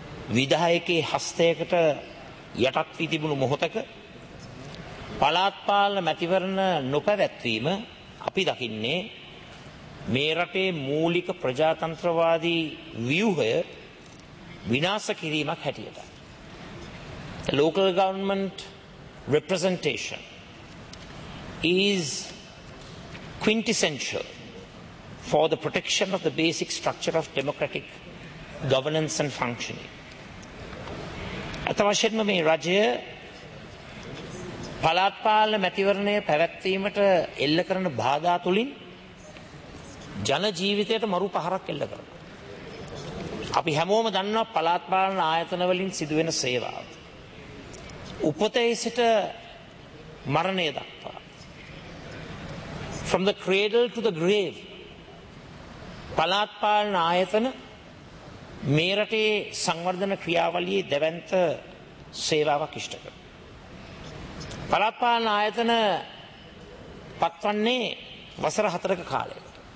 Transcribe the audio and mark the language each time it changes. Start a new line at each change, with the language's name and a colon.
Sinhala: විධායකේ හස්තයකට යටත් වී තිබුණු මොහොතක පළාත් පාලන මැතිවරණ නොපැවැත්වීම අපි දකින්නේ මේ රටේ මූලික ප්‍රජාතන්ත්‍රවාදී ව්‍යුහය විනාශ කිරීමක් හැටියට.
English: Local government representation is quintessential for the protection of the basic structure of democratic governance and functioning.
Sinhala: අතවශ්‍යම මේ රජය පළාත් පාලන මැතිවරණය පැවැත්වීමට එල්ල කරන බාධා තුලින් ජන ජීවිතයට මරු පහරක් එල්ල කරනවා. අපි හැමෝම දන්නවා පළාත් පාලන ආයතන වලින් සිදුවෙන සේවාව. උපතේ සිට මරණය දක්වා.
English: From the cradle to the grave.
Sinhala: පළාත් පාලන ආයතන මේ රටේ සංවර්ධන ක්‍රියාවලියේ දැවැන්ත සේවාවක් ඉෂ්ට කරන. පළාත් පාලන ආයතන පත්වන්නේ වසර 4ක කාලයකට.